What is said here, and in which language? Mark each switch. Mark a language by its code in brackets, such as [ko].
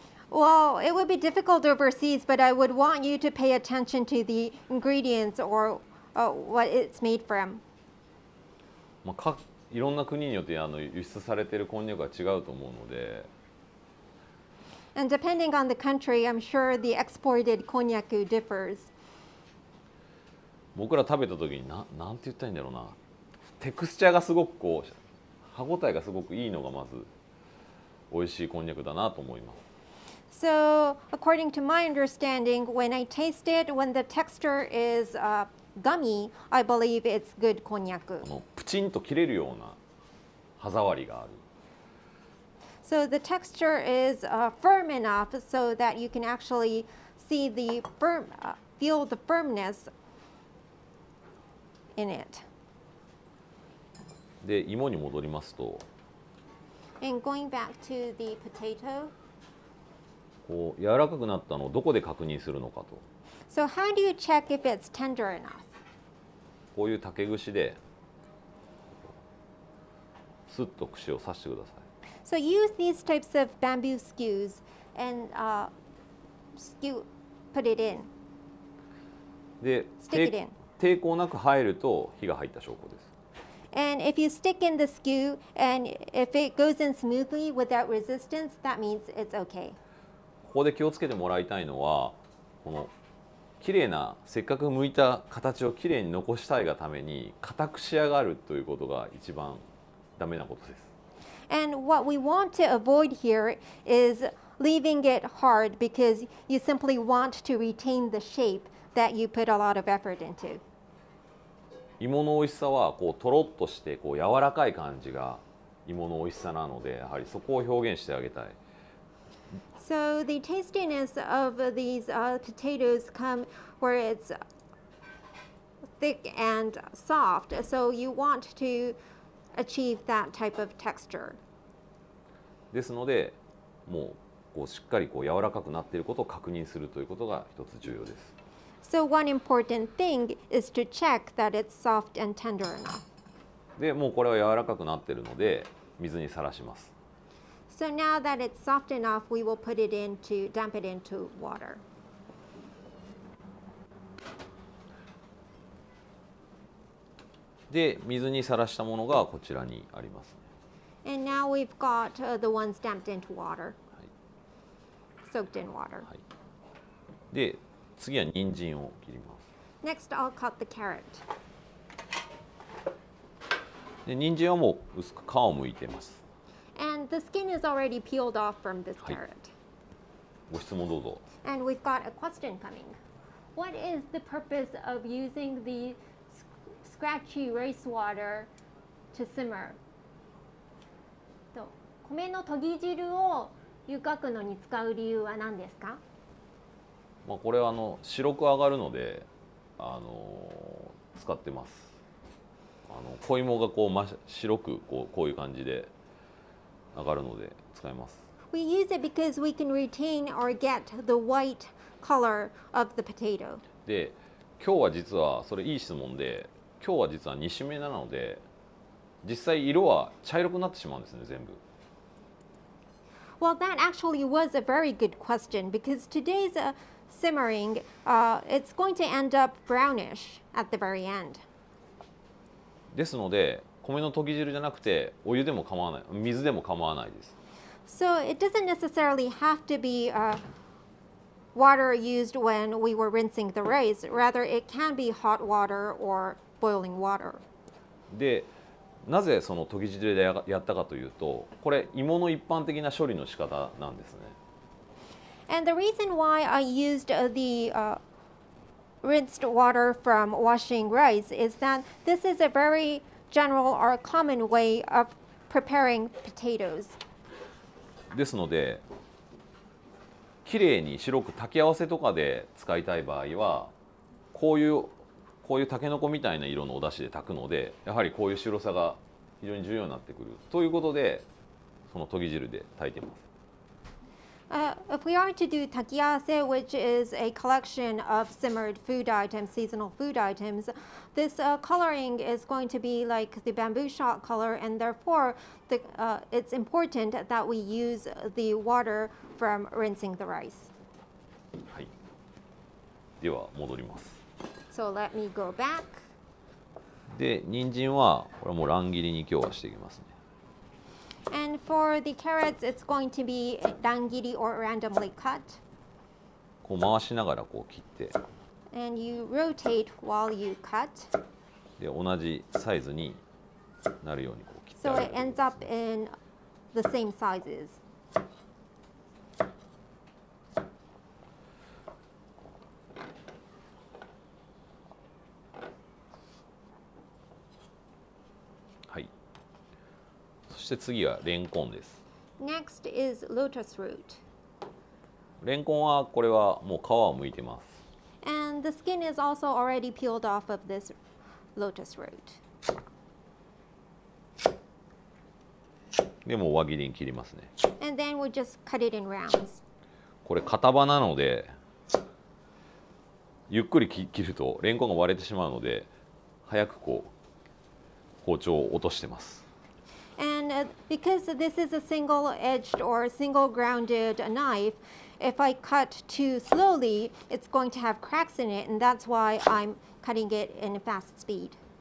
[en] Well, it would be difficult overseas, but I would want you to pay attention to the ingredients or what it's made from. [ja] まあ、いろんな国によって輸出されているこんにゃくは違うと思うので。 [en] And depending on the country, I'm sure the exported こんにゃく differs. [ja] 僕ら食べた時に何て言ったらいいんだろうな。テクスチャーがすごくこう、歯応えがすごくいいのがまず美味しいこんにゃくだなと思います。 [en] So, according to my understanding, when I taste it, when the texture is gummy, I believe it's good こんにゃく。 [ja] プチンと切れるような歯触りがある。 [en] So, the texture is firm enough so that you can actually see the firm, feel the firmness in it. [ja] で、芋に戻りますと。 [en] And going back to the potato. [ja] こう柔らかくなったのをどこで確認するのかと。 [en] So how do you check if it's tender enough? [ja] こういう竹串でスッと串を刺してください。 [en] So use these types of bamboo skews and skew put it in. [ja] で、 [en] stick it in. [ja] 抵抗なく入ると火が入った証拠です。 [en] And if you stick in the skew and if it goes in smoothly without resistance, that means it's okay. [ja] ここで気をつけてもらいたいのは、この綺麗なせっかく剥いた形を綺麗に残したいがために硬く仕上がるということが一番ダメなことです。 [en] And what we want to avoid here is leaving it hard because you simply want to retain the shape that you put a lot of effort into. [ja] 芋の美味しさはこうとろっとしてこう柔らかい感じが芋の美味しさなので、やはりそこを表現してあげたい。 [en] So the tastiness of these potatoes come where it's thick and soft. So you want to achieve that type of texture. [ja] ですので、もうこうしっかりこう柔らかくなっていることを確認するということが一つ重要です。 [en] So one important thing is to check that it's soft and tender enough. [ja] で、もうこれは柔らかくなっているので水にさらします。 [en] So now that it's soft enough, we will put it into, dump it into water. で、水にさらしたものがこちらにあります。 And now we've got the ones dumped into water. Soaked in water. [ja] はい。で、次は人参を切ります。 [en] Next, I'll cut the carrot. [ja] で、人参はもう薄く皮をむいてます。 [en] And the skin is already peeled off from this carrot. [ja] ご質問どうぞ。 [en] And we've got a question coming. What is the purpose of using the scratchy rice water to simmer? [ja] 米の研ぎ汁を湯かくのに使う理由は何ですか？まあ、これはあの白く上がるので、使ってます。あの小芋がこう白くこういう感じで上がるので使います。 [en] We use it because we can retain or get the white color of the potato. [ja] で今日は実はそれいい質問で、今日は実は2種目なので実際色は茶色くなってしまうんですね、全部。 [en] Well, that actually was a very good question because today's simmering, it's going to end up brownish at the very end. [ja] ですので、米の研ぎ汁じゃなくてお湯でも構わない、水でも構わないです。 [en] So it doesn't necessarily have to be water used when we were rinsing the rice. Rather, it can be hot water or boiling water. [ja] で、なぜその研ぎ汁でやったかというと、これ芋の一般的な処理の仕方なんですね。 [en] And the reason why I used the rinsed water from washing rice is that this is a very general or common way of preparing potatoes. [ja] ですので、きれいに白く炊き合わせとかで使いたい場合は、こういうタケノコみたいな色のお出汁で炊くので、やはりこういう白さが非常に重要になってくるということで、その研ぎ汁で炊いてます。 [en] If we are to do takiyase, which is a collection of simmered food items, seasonal food items, this coloring is going to be like the bamboo shot color, and therefore the, it's important that we use the water from rinsing the rice. [ja] はい。では戻ります。 [en] So let me go back. [ja] で、人参はこれもう乱切りに今日はしていきますね。 [en] And for the carrots, it's going to be 乱切り or randomly cut. [ja] こう回しながらこう切って。 [en] And you rotate while you cut. [ja] で、同じサイズになるようにこう切って。 [en] So it ends up in the same sizes. [ja] はい。そして次はレンコンです。 [en] Next is lotus root. [ja] レンコンはこれはもう皮を剥いてます。 [en] And the skin is also already peeled off of this lotus root. [ja] でも輪切りに切りますね。 [en] And then we just cut it in rounds. [ja] これ型場なのでゆっくり切るとレンコンが割れてしまうので早くこう包丁を落としてます。 [en] And because this is a single-edged or single-grounded knife, if I cut too slowly, it's going to have cracks in it, and that's why I'm cutting it in fast speed.